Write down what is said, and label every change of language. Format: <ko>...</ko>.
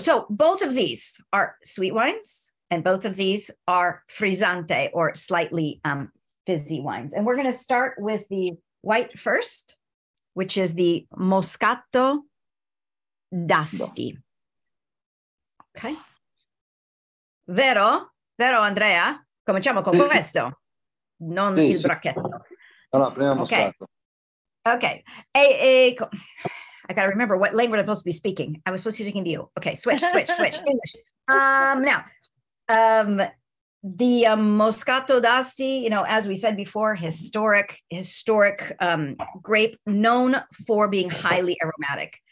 <en>So both of these are sweet wines, and both of these are frizzante or slightly fizzy wines. And we're going to start with the white first, which is the Moscato d'Asti. Okay.</en> <it>Vero, vero Andrea, cominciamo con questo, non il Brachetto. Allora, prima Moscato.</it> <en>Okay. I got to remember what language I'm supposed to be speaking. I was supposed to be speaking to you. Okay, switch. English. The Moscato d'Asti, you know, as we said before, historic grape known for being highly aromatic.</en>